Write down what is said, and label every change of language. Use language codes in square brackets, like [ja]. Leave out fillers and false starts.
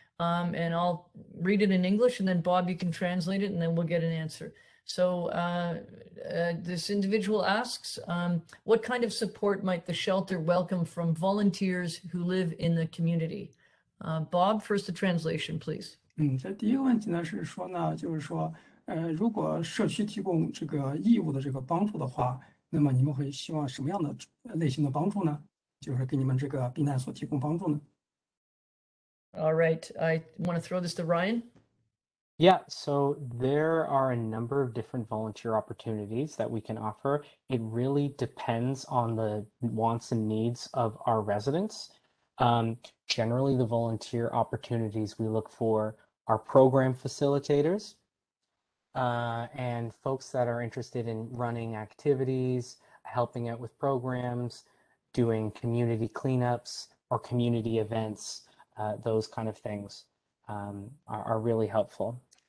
[en] And I'll read it in English, and then Bob, you can translate it, and then we'll get an answer. So this individual asks, what kind of support might the shelter welcome from volunteers who live in the community? Bob, first the translation, please. [zh] 这第一个问题呢是说呢，就是说，如果社区提供这个义务的这个帮助的话，那么你们会希望什么样的类型的帮助呢？就是给你们这个避难所提供帮助呢？ [en] All right, I want to throw this to Ryan. Yeah, so there are a number of different volunteer opportunities that we can offer. It really depends on the wants and needs of our residents. Generally, the volunteer opportunities we look for are program facilitators and folks that are interested in running activities, helping out with programs, doing community cleanups or community events, those kind of things are really helpful.